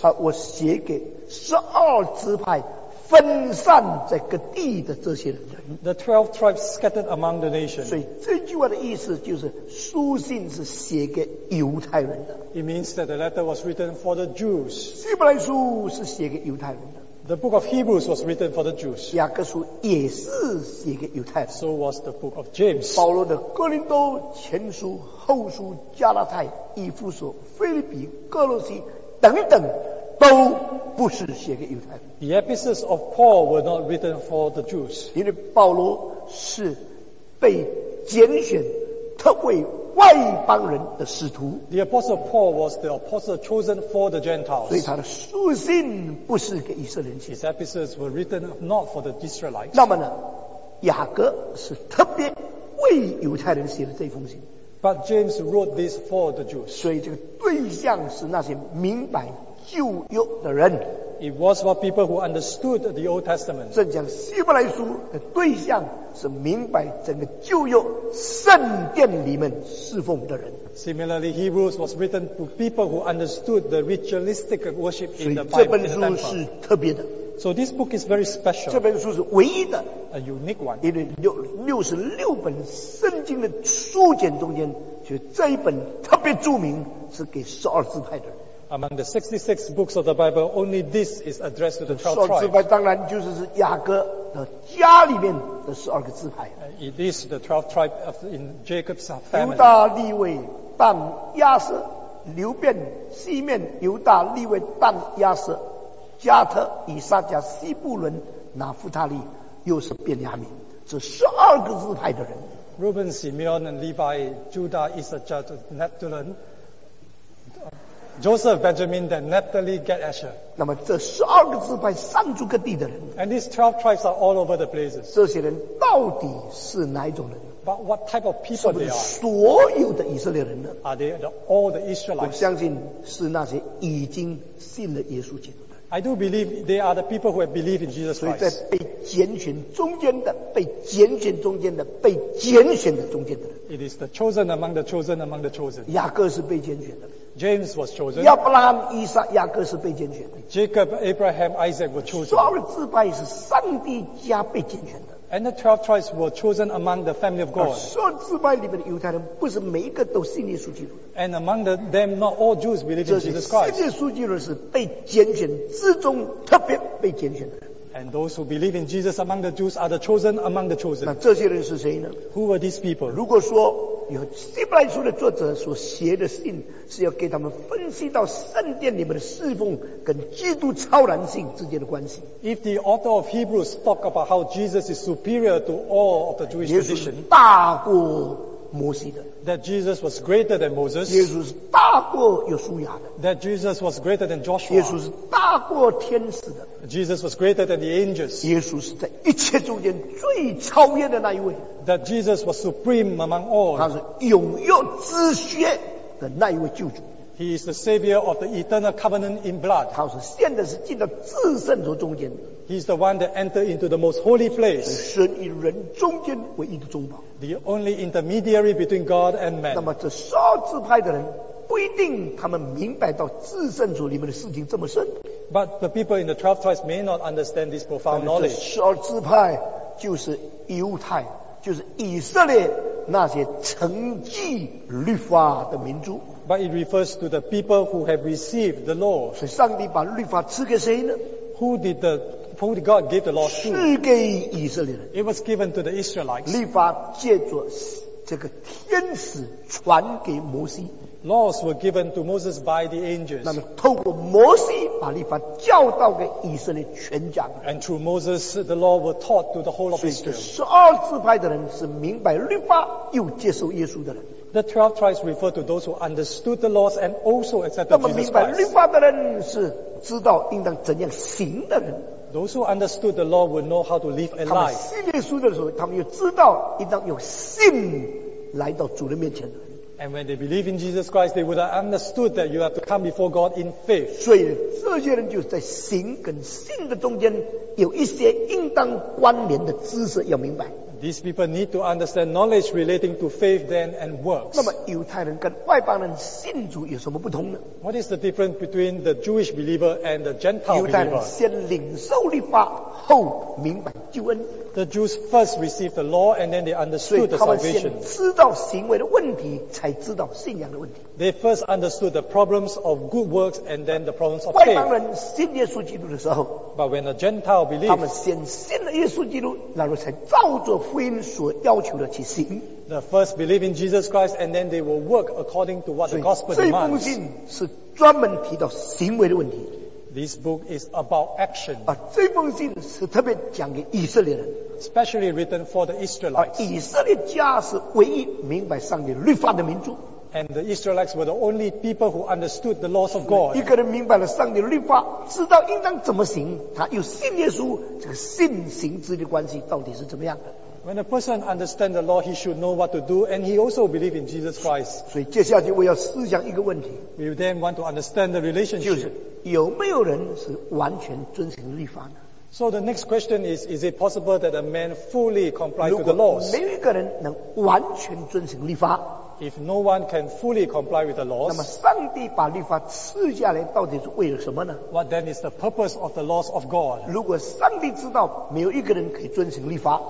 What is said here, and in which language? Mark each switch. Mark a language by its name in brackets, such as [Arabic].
[Chinese] 好，我写给十二支派分散在各地的这些人。 [English] The 12 tribes scattered among the nations。 [Chinese] 所以这句话的意思就是书信是写给犹太人的。 [English] It means that the letter was written for the Jews。 [Chinese] 希伯来书是写给犹太人的。 [English] The book of Hebrews was written for the Jews. [Chinese] 雅各书也是写给犹太人。 [English] So was the book of James. [Chinese] 保罗的哥林多前书、后书、加拉太、以弗所、腓立比、哥罗西等等，都不是写给犹太人。 [English] The epistles of Paul were not written for the Jews. [Chinese] 因为保罗是被拣选，特为外邦人的使徒。 [English] The apostle Paul was the apostle chosen for the Gentiles. [Chinese] 所以他的书信不是给以色列人。 [English] His epistles were written not for the Israelites. [Chinese] 那么呢，雅各是特别为犹太人写的这封信。 [English] But James wrote this for the Jews. [Chinese] 所以这个对象是那些明白旧约的人。 [English] It was for people who understood the Old Testament. [Chinese] 正像希伯来书的对象是明白整个旧约圣殿里面侍奉的人。 [English] Similarly, Hebrews was written to people who understood the ritualistic worship in the Bible. [Chinese] 这本书是特别的。 [English] So this book is very special. [Chinese] 这本书是唯一的。 [English] A unique one. [Chinese] 因为66本圣经的书卷中间，就这一本特别著名，是给十二支派的人。 [English] Among the 66 books of the Bible, only this is addressed to the 12 tribes. [Chinese] 十二支派当然就是雅各的家里面的十二个支派。 [English] It is the 12 tribes in Jacob's family. [Chinese] 犹大、利未、但、亚瑟、流便、西面、犹大、利未、但、亚瑟、加特、以撒加、西布伦、拿弗他利，又是便雅悯，这十二个支派的人。 [English] Reuben, Simeon, and Levi, Judah, Issachar, Zebulun. Joseph, Benjamin, then Naphtali, Gad, Asher. [Chinese] 那么这十二个支派上住各地的人。 [English] And these 12 tribes are all over the places. [Chinese] 这些人到底是哪一种人？ [English] But what type of people they are? [Chinese] 是不是所有的以色列人呢？ [English] Are they all the Israelites? [Chinese] 我相信是那些已经信了耶稣基督的。 [English] I do believe they are the people who have believed in Jesus Christ. [Chinese] 所以在被拣选中间的，被拣选中间的，被拣选的中间的人。 [English] It is the chosen among the chosen among the chosen. [Chinese] 雅各是被拣选的。 [English] James was chosen. [Chinese] 亚伯拉罕、以撒、雅各是被拣选的。 [English] Jacob, Abraham, Isaac were chosen. [Chinese] 十二支派是上帝家被拣选的。 [English] And the 12 tribes were chosen among the family of God. [Chinese] 十二支派里面的犹太人不是每一个都信耶稣基督。 [English] And among them, not all Jews believe in Jesus Christ. [Chinese] 信耶稣基督是被拣选之中特别被拣选的。 [English] And those who believe in Jesus among the Jews are the chosen among the chosen. [Chinese] 那这些人是谁呢？ [English] Who were these people? [Chinese] 如果说有希伯来书的作者所写的信是要给他们分析到圣殿里面的侍奉跟基督超然性之间的关系。 [English] If the author of Hebrews talk about how Jesus is superior to all of the Jewish tradition, [Chinese] 耶稣大过摩西的。 [English] That Jesus was greater than Moses. [Chinese] 耶稣是大过约书亚的。 [English] That Jesus was greater than Joshua. [Chinese] 耶稣是大过天使的。 [English] Jesus was greater than the angels. [Chinese] 耶稣是在一切中间最超越的那一位。 [English] That Jesus was supreme among all. [Chinese] 他是永约之血的那一位救主。 [English] He is the savior of the eternal covenant in blood. [Chinese] 他是现在是进到至圣所中间的。 [English] He is the one that entered into the most holy place. [Chinese] 神与人中间唯一的中保。 [English] The only intermediary between God and man. [Chinese] 那么这十二支派的人不一定他们明白到至圣所里面的事情这么深。 [English] But the people in the 12 tribes may not understand this profound knowledge. [Chinese] 十二支派就是犹太，就是以色列那些承继律法的民族。 [English] But it refers to the people who have received the law. [Chinese] 所以上帝把律法赐给谁呢？ [English] Who did God give the law to? [Chinese] 赐给以色列人。 [English] It was given to the Israelites. [Chinese] 律法借着这个天使传给摩西。 [English] Laws were given to Moses by the angels. [Chinese] 那么透过摩西把律法教导给以色列全家。 [English] And through Moses, the law was taught to the whole of Israel. [Chinese] 所以十二支派的人是明白律法又接受耶稣的人。 [English] The 12 tribes refer to those who understood the laws and also accepted Jesus Christ. [Chinese] 那么明白律法的人是知道应当怎样行的人。 [English] Those who understood the law would know how to live a life. [Chinese] 他们信耶稣的时候，他们又知道应当用信来到主的面前。 [English] And when they believe in Jesus Christ, they would have understood that you have to come before God in faith. [Chinese] 所以这些人就在行跟信的中间有一些应当关联的知识要明白。 [English] These people need to understand knowledge relating to faith then and works. [Chinese] 那么犹太人跟外邦人信主有什么不同呢？ [English] What is the difference between the Jewish believer and the Gentile believer? [Chinese] 犹太人先领受律法，后明白救恩。 [English] The Jews first received the law and then they understood the salvation. [Chinese] 所以他们先知道行为的问题，才知道信仰的问题。 [English] They first understood the problems of good works and then the problems of faith. [Chinese] 外邦人信耶稣基督的时候， [English] But when a Gentile believed, [Chinese] 他们先信了耶稣基督，然后才照着福音所要求的去行。 [English] The first believe in Jesus Christ and then they will work according to what the gospel demands. [Chinese] 所以这封信是专门提到行为的问题。 [English] This book is about action. [Chinese] 啊，这封信是特别讲给以色列人。 [English] Especially written for the Israelites. [Chinese] 啊，以色列家是唯一明白上帝律法的民族。 [English] And the Israelites were the only people who understood the laws of God. [Chinese] 一个人明白了上帝律法，知道应当怎么行，他又信耶稣，这个信行之的关系到底是怎么样的？ [English] When a person understands the law, he should know what to do, and he also believes in Jesus Christ. [Chinese] 所以接下去我要思想一个问题。 [English] We then want to understand the relationship. [Chinese] 就是有没有人是完全遵循律法呢？ [English] So the next question is it possible that a man fully complies with the laws? [Chinese] 如果没有一个人能完全遵循律法， [English] If no one can fully comply with the laws, [Chinese] 那么上帝把律法赐下来到底是为了什么呢？ [English] What then is the purpose of the laws of God? [Chinese] 如果上帝知道没有一个人可以遵循律法，